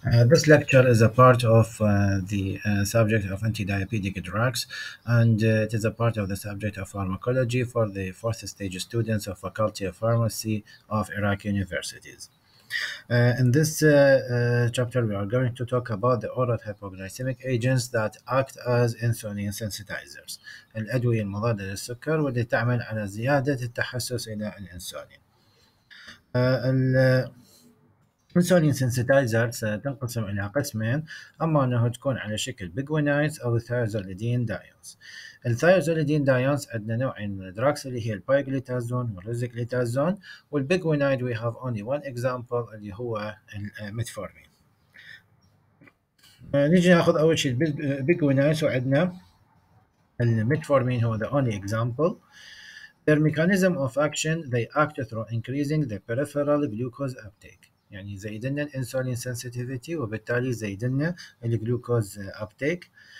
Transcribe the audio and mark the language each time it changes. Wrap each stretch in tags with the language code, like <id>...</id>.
<en>This lecture is a part of the subject of antidiabetic drugs, and it is a part of the subject of pharmacology for the fourth stage students of Faculty of Pharmacy of Iraq Universities. In this chapter, we are going to talk about the oral hypoglycemic agents that act as insulin sensitizers.</en> <ar>الأدوية المضادة للسكر واللي تعمل على زيادة التحسس إلى الإنسولين. الانسولين سنسيتايزرز تنقسم الى قسمين، اما انه تكون على شكل بيجوينايتس او ثايزوليدين دايونز. الثايزوليدين دايونز عندنا نوعين من الدراكس اللي هي البايجليتازون والريزيكليتازون، والبيجوينايت</ar> <en>we have only one example</en> <ar>اللي هو الميتفورمين. نيجي ناخذ اول شيء البيجوينايتس، وعندنا الميتفورمين هو</ar> <en>The only example. Their mechanism of action, they act through increasing the peripheral glucose uptake.</en> <ar>يعني زيدنا الانسولين سنسيتيفيتي وبالتالي زيدنا الجلوكوز ابتيك.</ar>